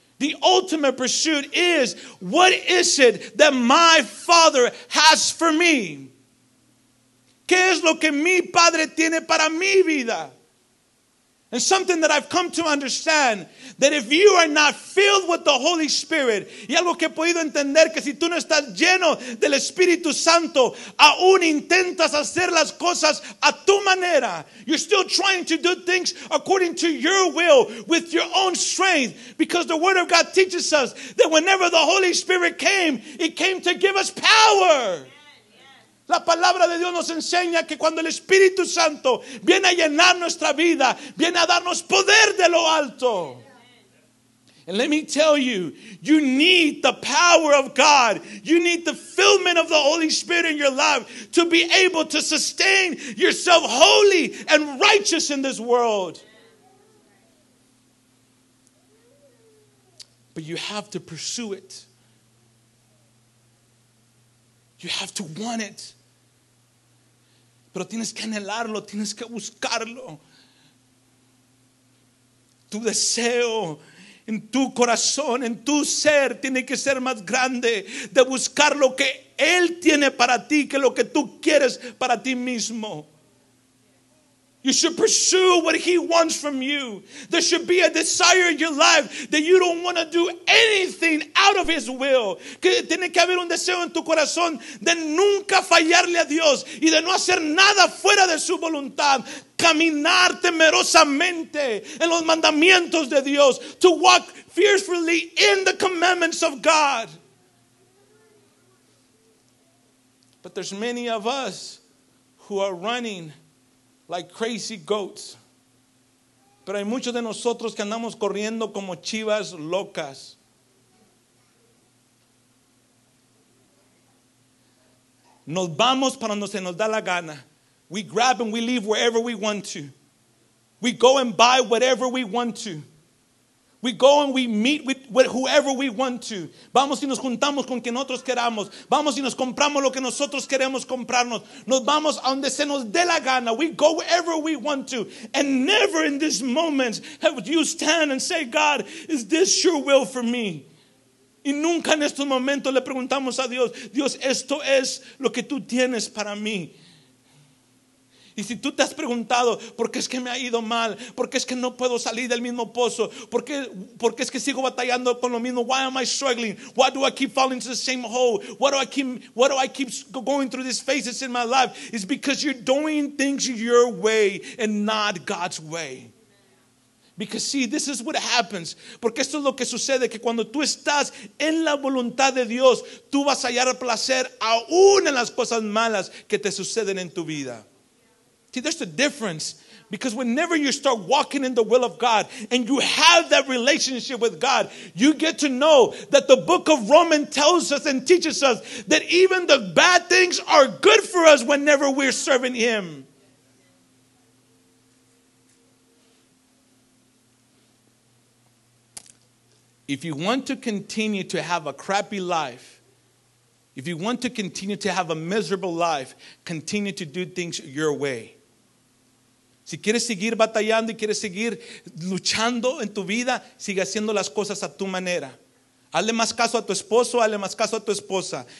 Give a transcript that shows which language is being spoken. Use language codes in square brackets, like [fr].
[en] The ultimate pursuit is, what is it that my Father has for me? [es] ¿Qué es lo que mi Padre tiene para mi vida? [en] And something that I've come to understand, that if you are not filled with the Holy Spirit, [es] y algo que he podido entender, que si tú no estás lleno del Espíritu Santo, aún intentas hacer las cosas a tu manera. [en] You're still trying to do things according to your will, with your own strength, because the Word of God teaches us that whenever the Holy Spirit came, it came to give us power. [es] La palabra de Dios nos enseña que cuando el Espíritu Santo viene a llenar nuestra vida, viene a darnos poder de lo alto. [en] And let me tell you, you need the power of God. You need the fulfillment of the Holy Spirit in your life to be able to sustain yourself holy and righteous in this world. But you have to pursue it. You have to want it. [es] Pero tienes que anhelarlo, tienes que buscarlo. Tu deseo en tu corazón, en tu ser, tiene que ser más grande de buscar lo que Él tiene para ti que lo que tú quieres para ti mismo. [en] You should pursue what He wants from you. There should be a desire in your life that you don't want to do anything out of His will. [es] Que tiene que haber un deseo en tu corazón de nunca fallarle a Dios y de no hacer nada fuera de su voluntad. Caminar temerosamente en los mandamientos de Dios. [en] To walk fearfully in the commandments of God. But there's many of us who are running like crazy goats. [es] Pero hay muchos de nosotros que andamos corriendo como chivas locas. Nos vamos para donde se nos da la gana. [en] We grab and we leave wherever we want to. We go and buy whatever we want to. We go and we meet with whoever we want to. [es] Vamos y nos juntamos con quien nosotros queramos. Vamos y nos compramos lo que nosotros queremos comprarnos. Nos vamos a donde se nos dé la gana. [en] We go wherever we want to. And never in this moment have you stand and say, God, is this your will for me? [es] Y nunca en estos momentos le preguntamos a Dios, Dios, esto es lo que tú tienes para mí. Y si tú te has preguntado, ¿por qué es que me ha ido mal? ¿Por qué es que no puedo salir del mismo pozo? ¿Por qué es que sigo batallando con lo mismo? [en] Why am I struggling? Why do I keep falling into the same hole? Why do I keep going through these phases in my life? It's because you're doing things your way and not God's way. Because see, this is what happens. [es] Porque esto es lo que sucede, que cuando tú estás en la voluntad de Dios, tú vas a hallar placer aún en las cosas malas que te suceden en tu vida. [en] See, there's the difference. Because whenever you start walking in the will of God and you have that relationship with God, you get to know that the book of Romans tells us and teaches us that even the bad things are good for us whenever we're serving Him. If you want to continue to have a crappy life, if you want to continue to have a miserable life, continue to do things your way. [es] Si quieres seguir batallando y quieres seguir luchando en tu vida, sigue haciendo las cosas a tu manera. Hazle más caso a tu esposo, hazle más caso a tu esposa.